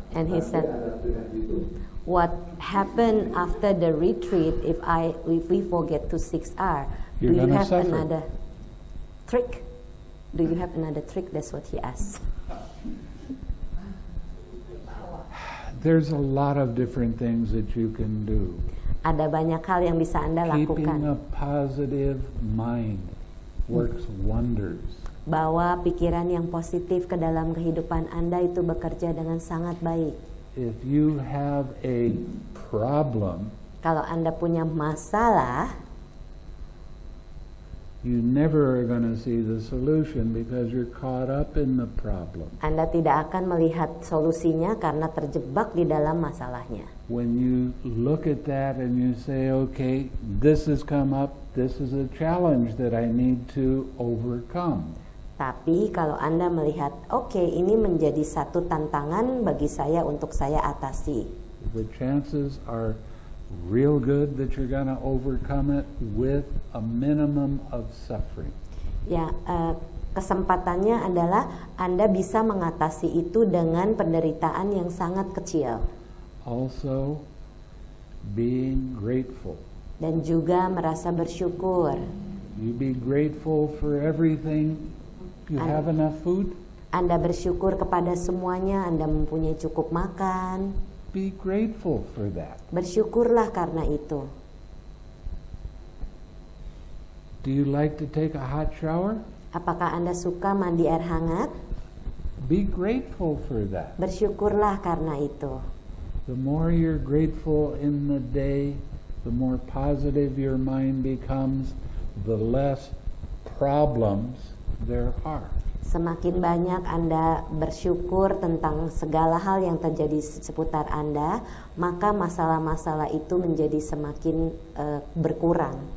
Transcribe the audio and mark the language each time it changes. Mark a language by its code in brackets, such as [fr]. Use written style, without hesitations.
[en] And he said, "What happened after the retreat if we forget to 6R? You're do you have suffer. Another trick? Do you have another trick?" That's what he asked. There's a lot of different things that you can do. [id] Ada banyak hal yang bisa Anda lakukan. [en] Keeping a positive mind works wonders. [id] Bawa pikiran yang positif ke dalam kehidupan Anda itu bekerja dengan sangat baik. [en] If you have a problem, [id] kalau Anda punya masalah, [en] you never are going to see the solution because you're caught up in the problem. [id] Anda tidak akan melihat solusinya karena terjebak di dalam masalahnya. [en] When you look at that and you say, okay, this has come up, this is a challenge that I need to overcome. [id] Tapi kalau Anda melihat, okay, ini menjadi satu tantangan bagi saya atasi. [en] The chances are real good that you're going to overcome it with a minimum of suffering. [id] Ya, kesempatannya adalah Anda bisa mengatasi itu dengan penderitaan yang sangat kecil. [en] Also, being grateful. [id] Dan juga merasa bersyukur. [en] You be grateful for everything. You have enough food. [id] Anda bersyukur kepada semuanya, Anda mempunyai cukup makan. [en] Be grateful for that. [id] Bersyukurlah karena itu. [en] Do you like to take a hot shower? [id] Apakah Anda suka mandi air hangat? [en] Be grateful for that. [id] Bersyukurlah karena itu. [en] The more you're grateful in the day, the more positive your mind becomes, the less problems there are. [id] Semakin banyak Anda bersyukur tentang segala hal yang terjadi seputar Anda, maka masalah-masalah itu menjadi semakin berkurang.